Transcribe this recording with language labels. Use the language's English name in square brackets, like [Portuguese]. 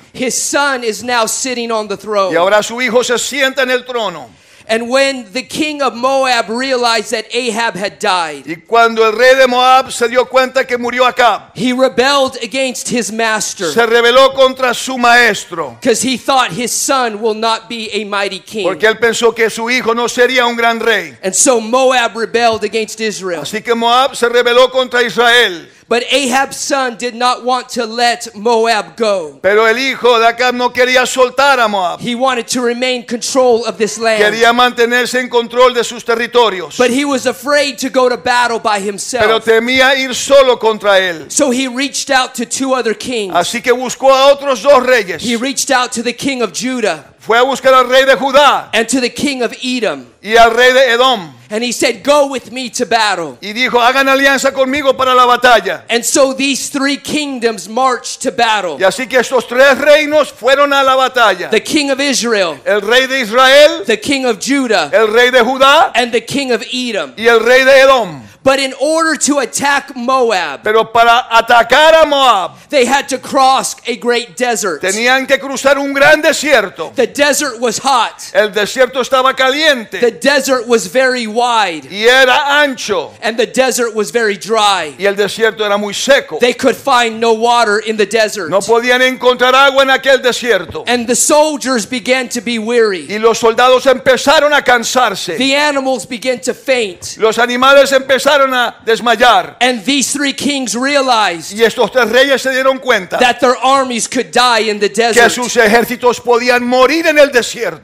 [English] His son is now sitting on the throne. [Spanish] Y ahora su hijo se sienta en el trono. [English] And when the king of Moab realized that Ahab had died, [Spanish] y cuando el rey de Moab se dio cuenta que murió Acab, [English] he rebelled against his master. [Spanish] Se rebeló contra su maestro. [English] Because he thought his son will not be a mighty king. [Spanish] Porque él pensó que su hijo no sería un gran rey. [English] And so Moab rebelled against Israel. [Spanish] Así que Moab se rebeló contra Israel. [English] But Ahab's son did not want to let Moab go. [Spanish] Pero el hijo de Acab no quería soltar a Moab. [English] He wanted to remain control of this land. [Spanish] Quería mantenerse en control de sus territorios. [English] But he was afraid to go to battle by himself. [Spanish] Pero temía ir solo contra él. [English] So he reached out to two other kings. [Spanish] Así que buscó a otros dos reyes. [English] He reached out to the king of Judah. [Spanish] Fue a buscar al rey de Judá. [English] And to the king of Edom. [Spanish] Y al rey de Edom. [English] And he said, go with me to battle. [Spanish] Y dijo, hagan alianza conmigo para la batalla. [English] And so these three kingdoms marched to battle. [Spanish] Y así que estos tres reinos fueron a la batalla. [English] The king of Israel. [Spanish] El rey de Israel. [English] The king of Judah. [Spanish] El rey de Judá. [English] And the king of Edom. [Spanish] Y el rey de Edom. [English] But in order to attack Moab, [Spanish] pero para atacar a Moab, [English] they had to cross a great desert. [Spanish] Tenían que cruzar un gran desierto. [English] The desert was hot. [Spanish] El desierto estaba caliente. [English] The desert was very wide. [Spanish] Y era ancho. [English] And the desert was very dry. [Spanish] Y el desierto era muy seco. [English] They could find no water in the desert. [Spanish] No podían encontrar agua en aquel desierto. [English] And the soldiers began to be weary. [Spanish] Y los soldados empezaron a cansarse. [English] The animals began to faint. [Spanish] Los animales empezaron empezaron a desmayar. [English] And these three kings realized, [Spanish] y estos tres reyes se dieron cuenta, [English] that their armies could die in the desert. [Spanish] Que sus ejércitos podían morir en el desierto.